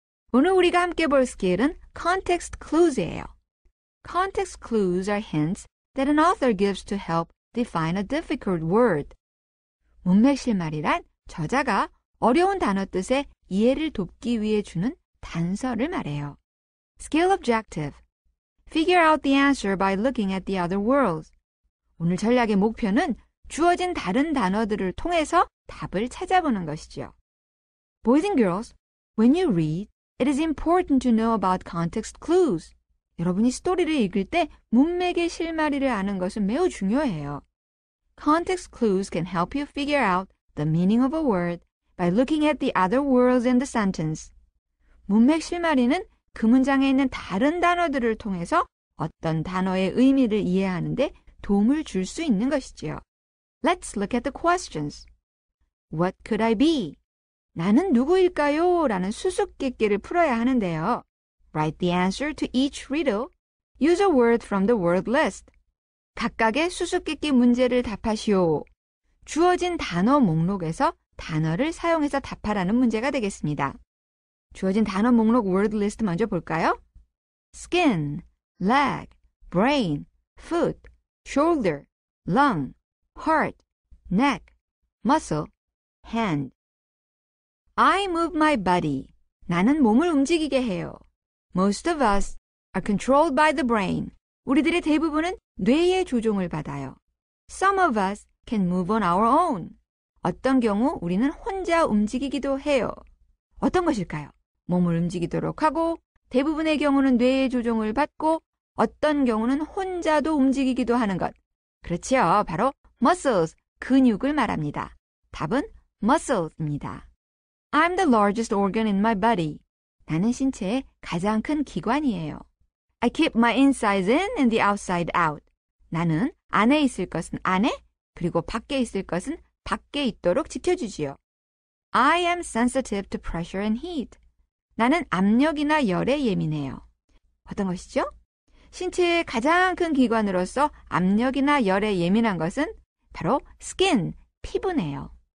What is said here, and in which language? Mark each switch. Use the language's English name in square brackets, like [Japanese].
[Korean] 오늘 우리가 함께 볼 스킬은 context clues예요. [English] Context clues are hints that an author gives to help define a difficult word. [Korean] 문맥실말이란 저자가 어려운 단어 뜻의 이해를 돕기 위해 주는 단서를 말해요. [English] Skill objective. Figure out the answer by looking at the other words. [Korean] 오늘 전략의 목표는 주어진 다른 단어들을 통해서 답을 찾아보는 것이죠. [English] Boys and girls, when you read, it is important to know about context clues. [Korean] 여러분이 스토리를 읽을 때 문맥의 실마리를 아는 것은 매우 중요해요. [English] Context clues can help you figure out the meaning of a word by looking at the other words in the sentence. [Korean] 문맥 실마리는 그 문장에 있는 다른 단어들을 통해서 어떤 단어의 의미를 이해하는데 도움을 줄 수 있는 것이지요. [English] Let's look at the questions. What could I be? [Korean] 나는 누구일까요? 라는 수수께끼를 풀어야 하는데요. [English] Write the answer to each riddle. Use a word from the word list. [Korean] 각각의 수수께끼 문제를 답하시오. 주어진 단어 목록에서 단어를 사용해서 답하라는 문제가 되겠습니다. 주어진 단어 목록 word list 먼저 볼까요? skin, leg, brain, foot, shoulder, lung, heart, neck, muscle, hand. [English] I move my body. [Korean] 나는 몸을 움직이게 해요. [English] Most of us are controlled by the brain. [Korean] 우리들의 대부분은 뇌의 조종을 받아요. [English] Some of us can move on our own. [Korean] 어떤 경우 우리는 혼자 움직이기도 해요. 어떤 것일까요? 몸을 움직이도록 하고 대부분의 경우는 뇌의 조종을 받고 어떤 경우는 혼자도 움직이기도 하는 것. 그렇죠. 바로 muscles, 근육을 말합니다. 답은 muscles입니다. [English] I'm the largest organ in my body. [Korean] 나는 신체의 가장 큰 기관이에요. [English] I keep my insides in and the outside out. [Korean] 나는 안에 있을 것은 안에, 그리고 밖에 있을 것은 밖에 있도록 지켜주지요. [English] I am sensitive to pressure and heat. [Korean] 나는 압력이나 열에 예민해요. 어떤 것이죠? 신체의 가장 큰 기관으로서 압력이나 열에 예민한 것은 바로 skin, 피부네요.